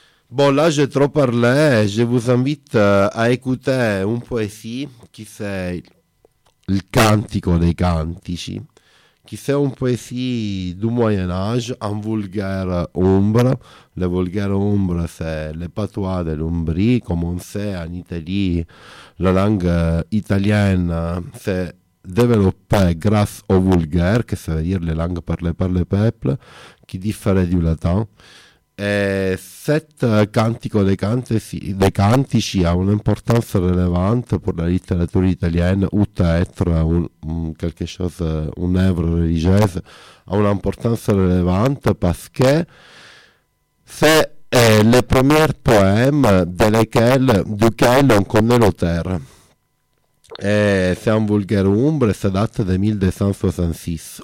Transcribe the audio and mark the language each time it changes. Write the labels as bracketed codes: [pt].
[fr] Bon, là j'ai trop parlé, je vous invite à écouter un poésie qui c'est il Cantico dei Cantici, qui c'est un poésie du Moyen-Âge, un vulgaire ombre. Le vulgaire ombre c'est le patois de l'Umbrie, comme on sait en Italie, la langue italienne c'est développé grâce au vulgaire, [it] che vuol dire [fr] le langue parlée par le peuple, qui diffère du latin. Et cet [it] cantico dei cantici ha un'importanza rilevante per la letteratura italiana, oltre a essere un'œuvre religiosa, ha un'importanza rilevante perché se è il primo poema [fr] duquel on connaît l'auteur. Et c'est un vulgaire ombre, ça date de 1266.